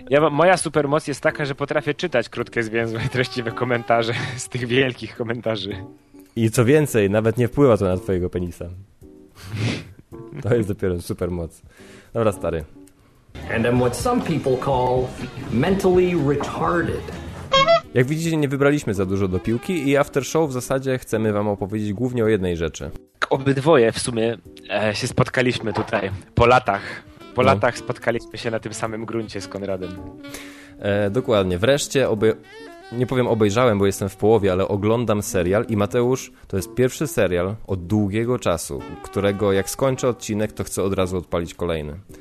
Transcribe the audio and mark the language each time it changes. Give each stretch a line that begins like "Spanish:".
Polish: Moja super moc jest taka, że potrafię czytać krótkie, zwięzłe, treściwe komentarze z tych wielkich komentarzy. I co więcej, nawet nie wpływa to na twojego penisa. To jest dopiero super moc. Dobra, stary.
English: And I'm what some people call mentally retarded.
Polish: Jak widzicie, nie wybraliśmy za dużo do piłki i after show w zasadzie chcemy wam opowiedzieć głównie o jednej rzeczy. Obydwoje w sumie się spotkaliśmy tutaj po latach. Po latach spotkaliśmy się na tym samym gruncie z Konradem. Dokładnie. Wreszcie nie powiem obejrzałem, bo jestem w połowie, ale oglądam serial i Mateusz, to jest pierwszy serial od długiego czasu, którego jak skończę odcinek, to chcę od razu odpalić kolejny.